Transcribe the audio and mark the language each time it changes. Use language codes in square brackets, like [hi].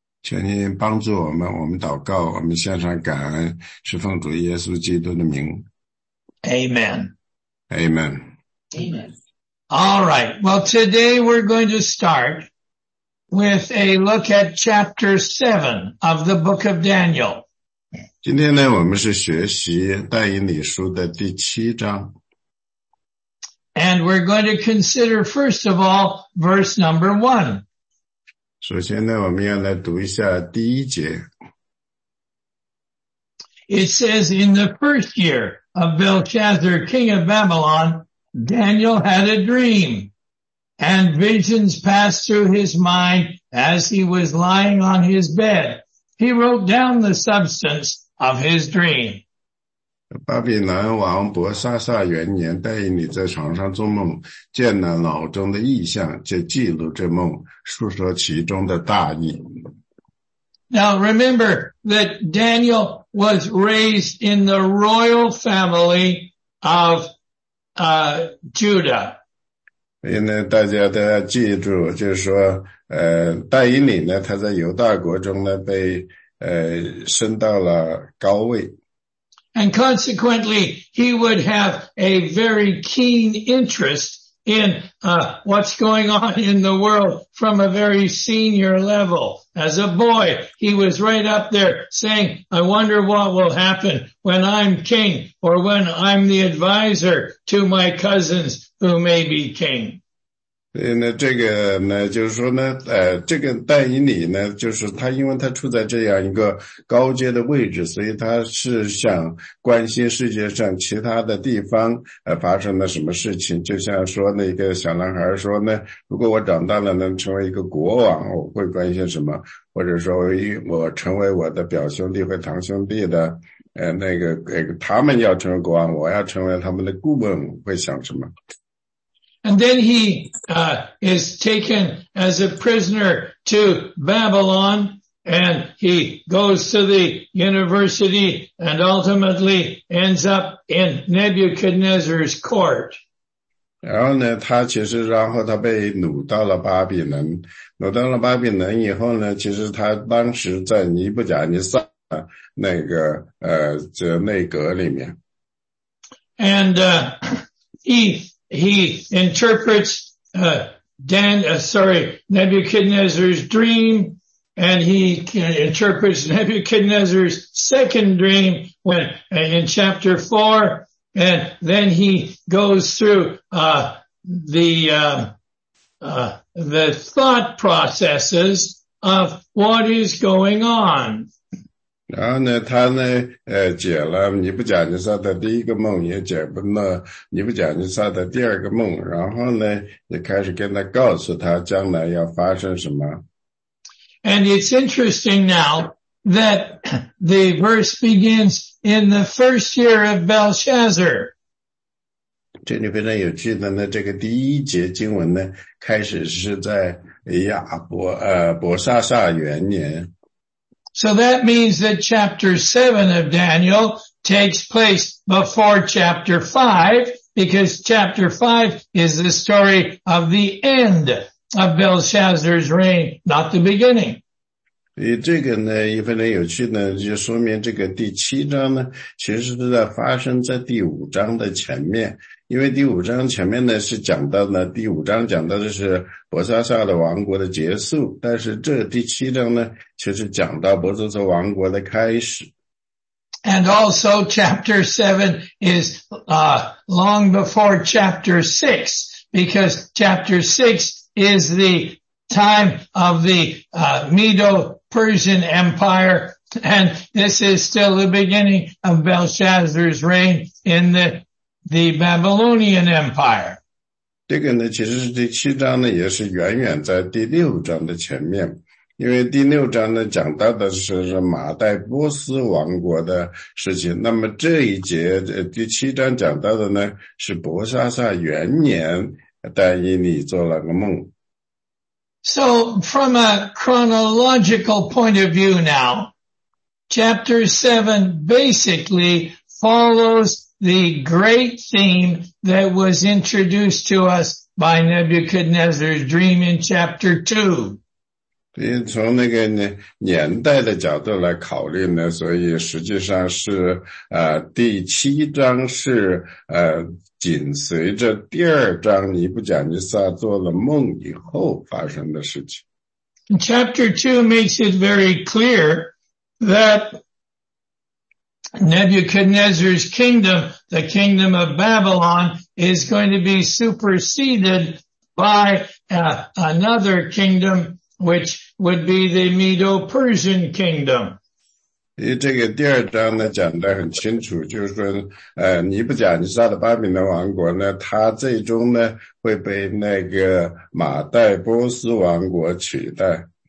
[zh] 求你帮助我们，我们祷告，我们献上感恩，是奉主耶稣基督的名。 [en] Amen. Amen. Amen. All right. Well, today we're going to start with a look at chapter 7 of the book of Daniel. [zh] 今天呢，我们是学习但以理书的第七章。 [en] And we're going to consider, first of all, verse number 1. [zh] 首先呢，我们要来读一下第一节。 [en] It says, in the first year of Belshazzar, king of Babylon, Daniel had a dream. And visions passed through his mind as he was lying on his bed. He wrote down the substance of his dream. [zh] 巴比伦王伯沙撒元年，但以理在床上做梦，见了脑中的异象，就记录这梦，述说其中的大意。 [en] Now remember that Daniel was raised in the royal family of Judah. [zh] 所以呢，大家都要记住，就是说，戴以理呢，他在犹大国中呢，被升到了高位。 [en] And consequently, he would have a very keen interest in what's going on in the world from a very senior level. As a boy, he was right up there saying, "I wonder what will happen when I'm king or when I'm the advisor to my cousins who may be king." [zh] 所以呢，这个呢，就是说呢，这个戴以理呢，就是他，因为他处在这样一个高阶的位置，所以他是想关心世界上其他的地方发生了什么事情。就像说那个小男孩说呢，如果我长大了能成为一个国王，我会关心什么？或者说，我成为我的表兄弟或堂兄弟的，他们要成为国王，我要成为他们的顾问，会想什么？ [en] And then he is taken as a prisoner to Babylon, and he goes to the university and ultimately ends up in Nebuchadnezzar's court. [zh] 然后呢，他其实然后他被掳到了巴比伦，掳到了巴比伦以后呢，其实他当时在尼布甲尼撒那个这内阁里面。 [en] And he interprets Nebuchadnezzar's dream, and he interprets Nebuchadnezzar's second dream when in chapter 4. And then he goes through the thought processes of what is going on. [zh] 然后呢，他呢，解了尼布甲尼撒的第一个梦，也解不了尼布甲尼撒的第二个梦。然后呢，也开始跟他告诉他将来要发生什么。 [en] And it's interesting now that the verse begins. In the first year of Belshazzar. [zh] 这里非常有趣的呢，这个第一节经文呢，开始是在亚伯伯沙撒元年。 [en] So that means that chapter 7 of Daniel takes place before chapter 5, because chapter 5 is the story of the end of Belshazzar's reign, not the beginning. [zh] 这个呢也非常有趣呢，就说明这个第七章呢其实是在发生在第五章的前面，因为第五章前面呢是讲到呢，第五章讲到的是伯沙撒的王国的结束，但是这第七章呢其实讲到伯沙撒王国的开始。 [en] And also chapter 7 is long before chapter 6, because chapter 6 is the time of the Medo-Persian Empire, and this is still the beginning of Belshazzar's reign in the Babylonian Empire. [zh] 这个呢，其实是第七章呢，也是远远在第六章的前面，因为第六章呢讲到的是马代波斯王国的事情。那么这一节第七章讲到的呢，是伯沙撒元年，但以理做了个梦。 [en] So from a chronological point of view now, chapter 7 basically follows the great theme that was introduced to us by Nebuchadnezzar's dream in chapter 2. [zh] 从那个年代的角度来考虑呢，所以实际上是第七章是紧随着第二章尼布甲尼撒做了梦以后发生的事情。 [en] Chapter 2 makes it very clear that Nebuchadnezzar's kingdom, the kingdom of Babylon, is going to be superseded by another kingdom, which would be the Medo-Persian kingdom. [zh] 因为这个第二章呢讲得很清楚，就是说尼布甲尼撒的巴比伦王国呢，他最终呢会被那个马代波斯王国取代。